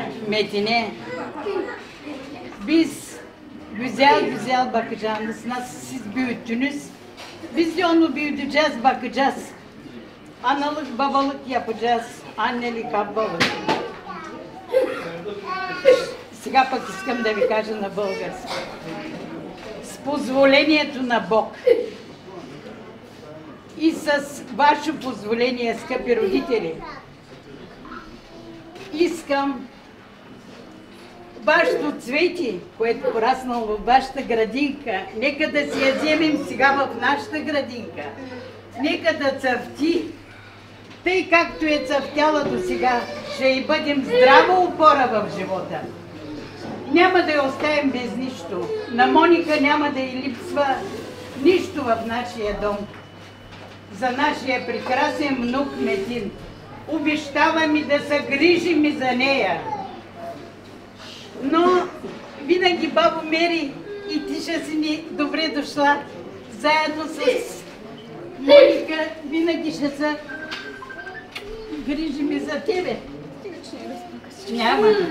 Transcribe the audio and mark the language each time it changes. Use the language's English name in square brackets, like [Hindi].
[Turkish] Metin'e biz güzel güzel bakacağınız, nasıl siz büyüttünüz, biz de onu büyüteceğiz, bakacağız, analık babalık yapacağız, annelik ablalık. [Bulgarian] Сигапа искам да ви кажа на български. С позволението на Бог и с ваше позволение, скъпи родители, искам вашето цвети, което пораснало във вашата градинка, нека да си я вземем сега в нашата градинка. Нека да цъфти, тъй както е цъфтяла до сега, ще и бъдем здрава опора в живота. Няма да я оставим без нищо. На Моника няма да й липсва нищо в нашия дом. За нашия прекрасен внук Метин. Обещавам и да се грижим и за нея. Но винаги баба Мери и Тиша си ни добре дошла, заедно с Моника, винаги ще се грижим и за тебе. Няма.